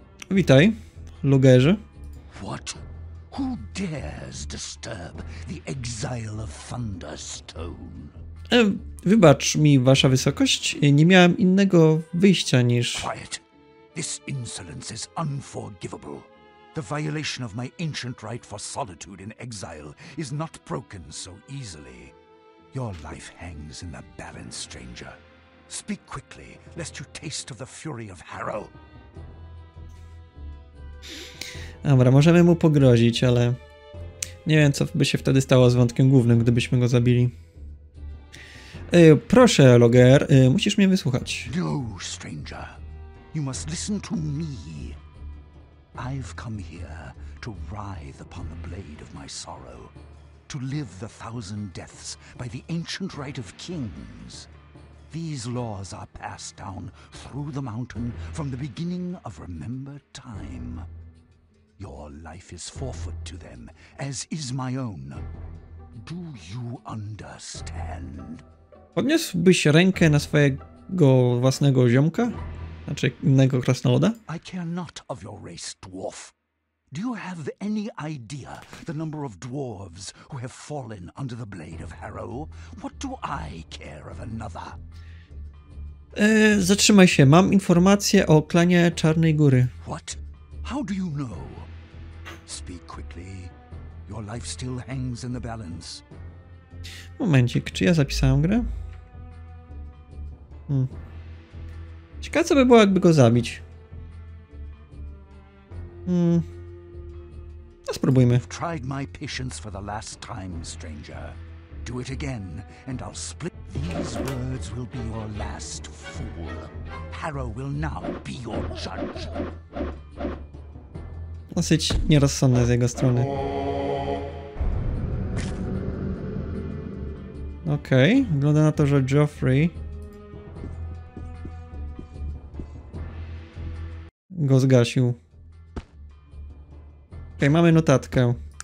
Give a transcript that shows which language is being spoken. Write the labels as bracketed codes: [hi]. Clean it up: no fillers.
[pl] Witaj, Lugerzy. [en] What? Who dares disturb the exile of Thunderstone? [pl] Wybacz mi, wasza wysokość, nie miałem innego wyjścia niż... [en] Quiet. This insolence is unforgivable. The violation of my ancient right for solitude in exile is not broken so easily. Your life hangs in the balance, stranger. Speak quickly, lest you taste of the fury of Harrow. [pl] Dobra, możemy mu pogrozić, ale nie wiem, co by się wtedy stało z wątkiem głównym, gdybyśmy go zabili. Proszę, Loger, musisz mnie wysłuchać. [en] No, stranger. You must listen to me. I've come here to writhe upon the blade of my sorrow, to live the thousand deaths by the ancient right of kings. These laws are passed down through the mountain from the beginning of remembered time. Your life is forfeit to them, as is my own. Do you understand? [pl] Podniósłbyś rękę na swojego własnego ziomka? Znaczy, innego krasnoloda? [en] I care not of your race, dwarf. Do you have any idea the number of dwarves who have fallen under the blade of Harrow? What do I care of another? [pl] Zatrzymaj się. Mam informację o klanie Czarnej Góry. [en] What? How do you know? Speak quickly. Your life still hangs in the balance. [pl] Momencik, czy ja zapisałem grę? Ciekawe, co by było, jakby go zabić. No, spróbujmy. [en] I've tried my patience for the last time, stranger. Do it again, and I'll split. These words will be your last, fool. Harrow will now be your judge. [pl] Dosyć nierozsądne z jego strony. Okej, okay, wygląda na to, że Geoffrey go zgasił. Okej, okay, mamy notatkę.